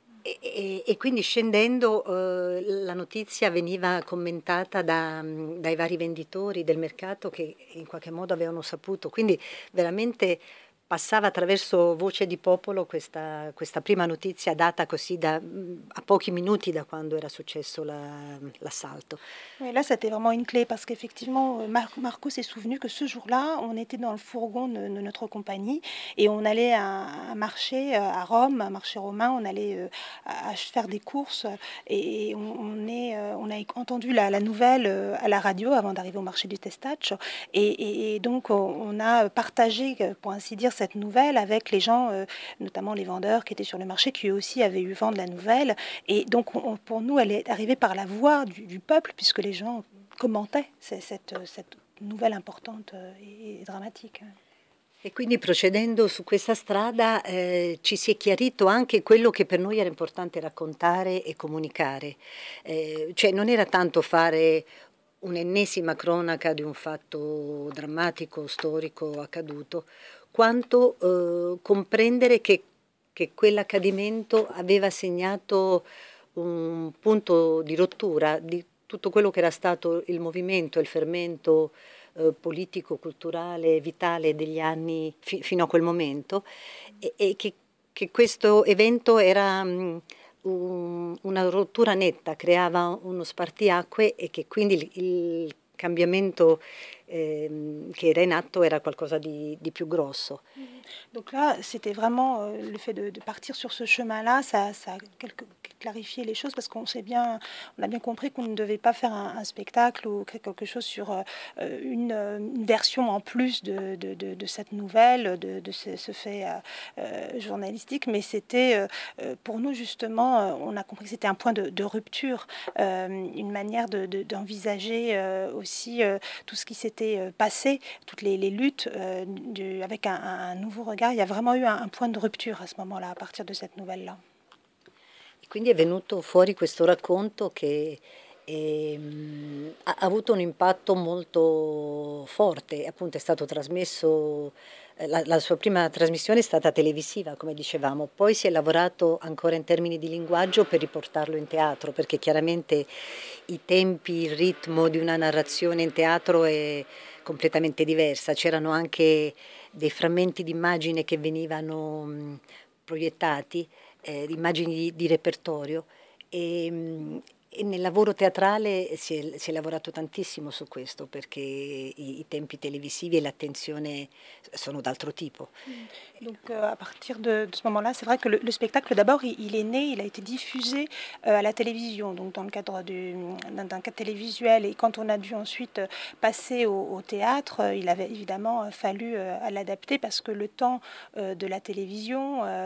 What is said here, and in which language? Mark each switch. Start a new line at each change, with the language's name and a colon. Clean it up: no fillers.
Italian: E quindi scendendo la notizia veniva commentata dai vari venditori del mercato, che in qualche modo avevano saputo. Quindi veramente passava attraverso Voce di Popolo questa, questa prima notizia data così da, a pochi minuti da quando era successo la, l'assalto.
French: Et là, c'était vraiment une clé parce qu'effectivement, Marco s'est souvenu que ce jour-là, on était dans le fourgon de notre compagnie et on allait à marcher à Rome, à marché romain, on allait à faire des courses et on a entendu la nouvelle à la radio avant d'arriver au marché du Testaccio et donc on a partagé, pour ainsi dire, cette nouvelle avec les gens, notamment les vendeurs qui étaient sur le marché, qui eux aussi avaient eu vent de la nouvelle. Et donc, pour nous, elle est arrivée par la voix du peuple, puisque les gens commentaient cette nouvelle importante et dramatique.
Italian: E quindi procedendo su questa strada ci si è chiarito anche quello che per noi era importante raccontare e comunicare. Cioè non era tanto fare un'ennesima cronaca di un fatto drammatico, storico, accaduto, quanto comprendere che quell'accadimento aveva segnato un punto di rottura di tutto quello che era stato il movimento, il fermento politico, culturale, vitale degli anni fino a quel momento e che questo evento era una rottura netta, creava uno spartiacque e che quindi il cambiamento che era in atto era qualcosa di più grosso.
French: Donc là, c'était vraiment le fait de partir sur ce chemin-là, ça clarifier les choses parce qu'on a bien compris qu'on ne devait pas faire un spectacle ou créer quelque chose sur une version en plus de cette nouvelle, de ce fait journalistique, mais c'était pour nous justement, on a compris que c'était un point de rupture, une manière d'envisager aussi tout ce qui s'était passé, toutes les luttes avec un nouveau regard. Il y a vraiment eu un point de rupture à ce moment-là, à partir de cette nouvelle-là.
Italian: Quindi è venuto fuori questo racconto che ha avuto un impatto molto forte, appunto è stato trasmesso, la sua prima trasmissione è stata televisiva, come dicevamo, poi si è lavorato ancora in termini di linguaggio per riportarlo in teatro, perché chiaramente i tempi, il ritmo di una narrazione in teatro è completamente diversa, c'erano anche dei frammenti di immagine che venivano proiettati, immagini di repertorio e nel lavoro teatrale si è lavorato tantissimo su questo perché i tempi televisivi e l'attenzione sono d'altro tipo.
French: Donc à partir de ce moment-là, c'est vrai que le spectacle d'abord il est né, il a été diffusé à la télévision, donc dans le cadre d'un cadre télévisuel, et quand on a dû ensuite passer au théâtre, il avait évidemment fallu l'adapter parce que le temps de la télévision